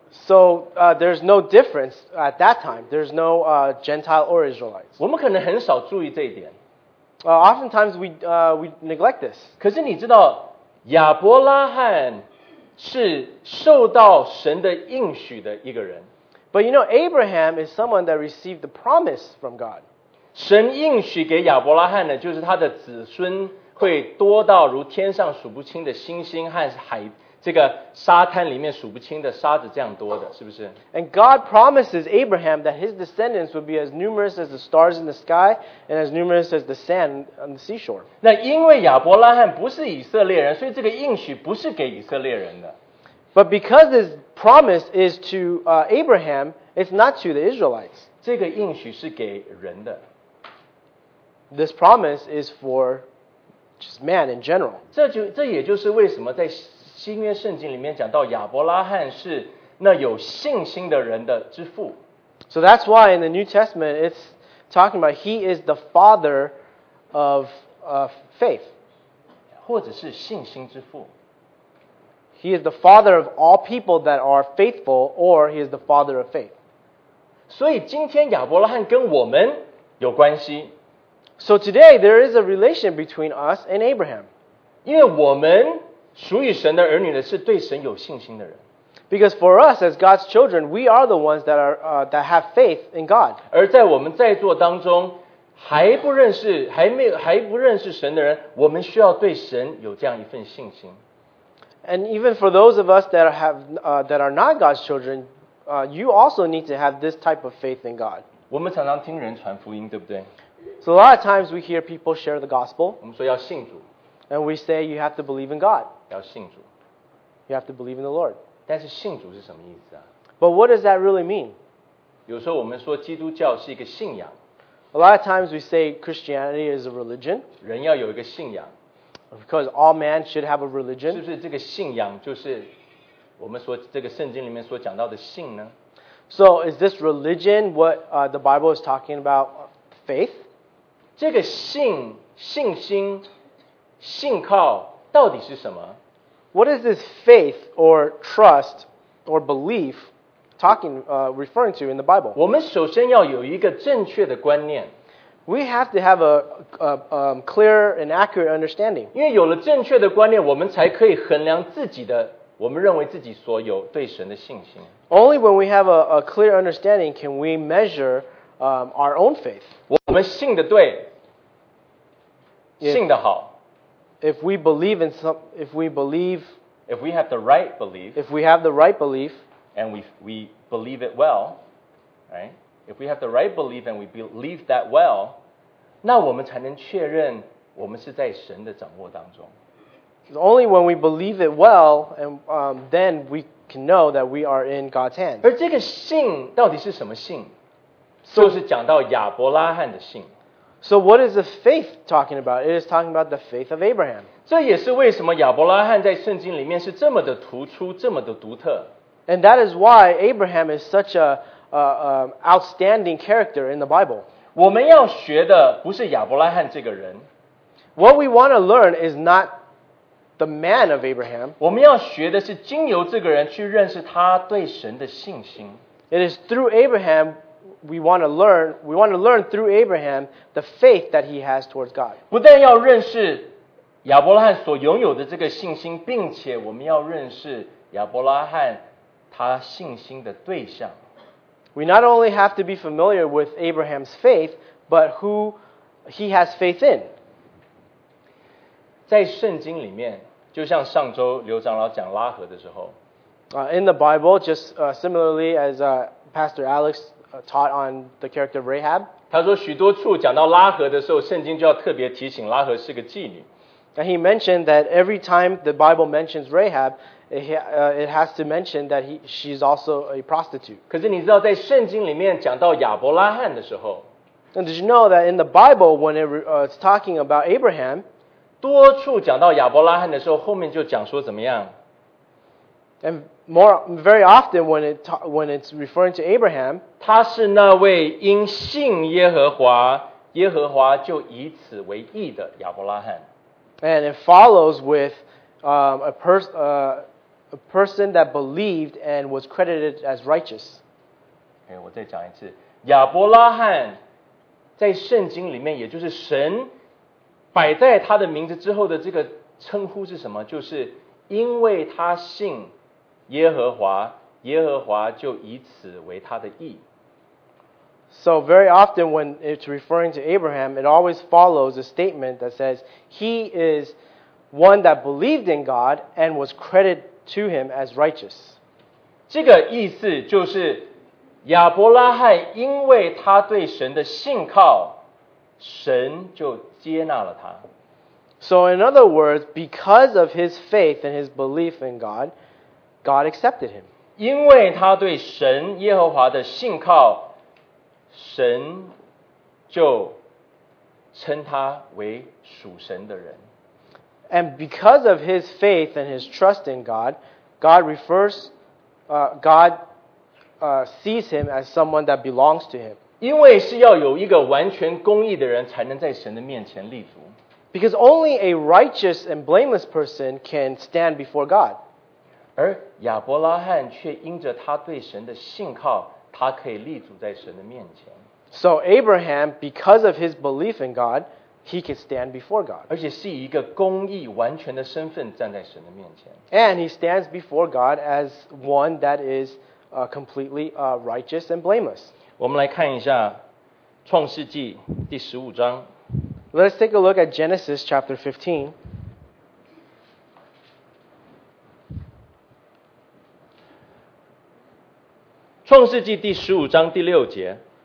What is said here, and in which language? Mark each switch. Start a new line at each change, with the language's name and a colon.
English: So, there's no difference at that time. There's no, Gentile or Israelites.
Chinese: 我们可能很少注意这一点。
English: Oftentimes we neglect this.
Chinese: 可是你知道亚伯拉罕是受到神的应许的一个人。
English: But you know, Abraham is someone that received the promise from God.
Chinese: 神应许给亚伯拉罕的就是他的子孙会多到如天上数不清的星星和海这个沙滩里面数不清的沙子这样多的，是不是？
English: And God promises Abraham that his descendants would be as numerous as the stars in the sky and as numerous as the sand on the seashore.
Chinese: 那因为亚伯拉罕不是以色列人，所以这个应许不是给以色列人的。
English: But because this promise is to Abraham, it's not to the Israelites.
Chinese: 这个应许是给人的。
English: This promise is for just man in general.
Chinese: 这也就是为什么在新约圣经里面讲到亚伯拉罕是那有信心的人的之父。
English: So that's why in the New Testament it's talking about he is the father of faith.
Chinese: 或者是信心之父。
English: He is the father of all people that are faithful, or he is the father of faith.
Chinese: 所以今天亚伯拉罕跟我们有关系。
English: So today there is a relation between us and Abraham.
Chinese: 因为我们属于神的儿女呢，是对神有信心的人。
English: Because for us as God's children, we are the ones that are that have faith in God.
Chinese: 而在我们在座当中，还不认识神的人，我们需要对神有这样一份信心。
English: And even for those of us that have that are not God's children, you also need to have this type of faith in God.
Chinese: 我们常常听人传福音，对不对？
English: So a lot of times we hear people share the gospel.
Chinese: 我们说要信主。
English: And we say you have to believe in God.
Chinese: 要信主。
English: You have to believe in the Lord.
Chinese: 但是信主是什么意思啊？
English: But what does that really mean?
Chinese: 有时候我们说基督教是一个信仰。
English: A lot of times we say Christianity is a religion.
Chinese: 人要有一个信仰。
English: Because all man should have a religion.
Chinese: 是不是这个信仰就是我们说这个圣经里面所讲到的信呢？
English: So is this religion what the Bible is talking about? Faith?
Chinese: 这个信，信心，信靠到底是什么？
English: What is this faith or trust or belief talking, referring to in the Bible?
Chinese: 我们首先要有一个正确的观念。
English: We have to have clear and accurate understanding.
Chinese: 因为有了正确的观念，我们才可以衡量自己的，我们认为自己所有对神的信心。
English: Only when we have a clear understanding can we measure our own faith.
Chinese: 我们信的对，信的好。
English: If we believe in some, if we believe, if we have the right belief, if we have the right belief, and we believe it well, right? If we have the right belief and we believe that well,
Chinese: 那我们才能确认我们是在神的掌握当中。
English: Only when we believe it well, and then we can know that we are in God's hand.
Chinese: 而这个信到底是什么信？So, 就是讲到亚伯拉罕的信。
English: So what is the faith talking about? It is talking about the faith of Abraham.
Chinese: 这也是为什么亚伯拉罕在圣经里面是这么的突出，这么的独特。
English: And that is why Abraham is such a outstanding character in the Bible.
Chinese: 我们要学的不是亚伯拉罕这个人。
English: What we want to learn is not the man of Abraham.
Chinese: 我们要学的是经由这个人去认识他对神的信心。
English: It is through Abraham we want to learn through Abraham the faith that he has towards God.
Chinese: 不但要认识亚伯拉罕所拥有的这个信心，并且我们要认识亚伯拉罕他信心的对象。
English: We not only have to be familiar with Abraham's faith, but who he has faith in.
Chinese: 在圣经里面，就像上周刘长老讲拉合的时候。
English: In the Bible, just similarly as Pastor Alex taught on the character of Rahab.
Chinese: 他说许多处讲到拉合的时候，圣经就要特别提醒拉合是个妓女。
English: And he mentioned that every time the Bible mentions Rahab, it has to mention that she's also a prostitute.
Chinese: 可是你知道在圣经里面讲到亚伯拉罕的时候，
English: And did you know that in the Bible, when it's talking about Abraham,
Chinese: 多处讲到亚伯拉罕的时候，后面就讲说怎么样？
English: And very often when it's referring to Abraham,
Chinese: 他是那位因信耶和华，耶和华就以此为义的亚伯拉罕。
English: And it follows with a person that believed and was credited as righteous.
Chinese: Okay, 我再讲一次，亚伯拉罕在圣经里面，也就是神摆在他的名字之后的这个称呼是什么？就是因为他信耶和华，耶和华就以此为他的义。
English: So very often when it's referring to Abraham, it always follows a statement that says he is one that believed in God and was credited to him as righteous.
Chinese: 这个意思就是亚伯拉罕因为他对神的信靠，神就接纳了他。
English: So in other words, because of his faith and his belief in God, God accepted him.
Chinese: 因为他对神耶和华的信靠，神就称他为属神的人。
English: And because of his faith and his trust in God, God sees him as someone that belongs to him.
Chinese: 因为是要有一个完全公义的人才能在神的面前立足。
English: Because only a righteous and blameless person can stand before God.
Chinese: 而亚伯拉罕却因着他对神的信靠，他可以立足在神的面前。
English: So Abraham, because of his belief in God, he could stand before God.
Chinese: 而且是以一个公义完全的身份站在神的面前。
English: And he stands before God as one that is completely righteous and blameless.
Chinese: 我们来看一下创世纪第十五章。
English: Let's take a look at Genesis chapter 15.
Chinese: 创世纪第十五章第六节。